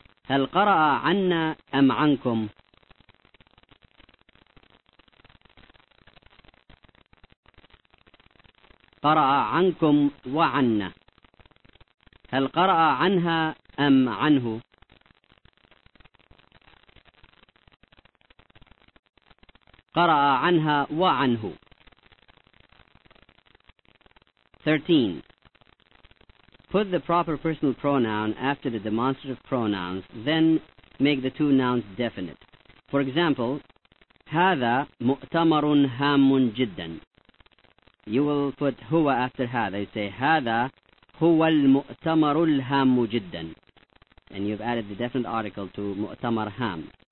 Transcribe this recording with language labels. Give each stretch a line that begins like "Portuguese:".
Arabic: هل قرأ عنا أم عنكم؟ قرأ عنكم وعنا. هل قرأ عنها أم عنه؟ قرأ عنها وعنه.
English: 13. Put the proper personal pronoun after the demonstrative pronouns, then make the two nouns definite. For example,
Arabic: هذا مؤتمر هام جدا.
English: You will put هو after هذا. You say
Arabic: هذا هو المؤتمر الهام جدا.
English: And you've added the definite article to
Arabic: مؤتمر هام.